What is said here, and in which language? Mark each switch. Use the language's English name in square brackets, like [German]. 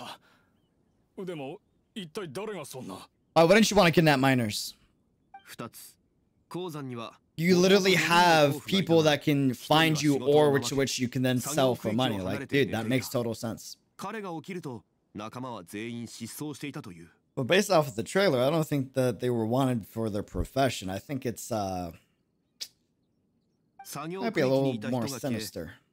[Japanese] つるはしが4本なくなっていたが、生活用品は1つも減っていなかった。誰かに連れ去られた。でも一体誰がそんな。 [English] Why wouldn't you want to kidnap miners? [Japanese] 2つ、鉱山には [English] You literally have people that can find you ore which you can then sell for money. Like, dude, that makes total sense. [Japanese] 彼が起きると仲間は全員失踪していたという。 [English] But based off of the trailer, I don't think that they were wanted for their profession. I think it's might be a little more sinister.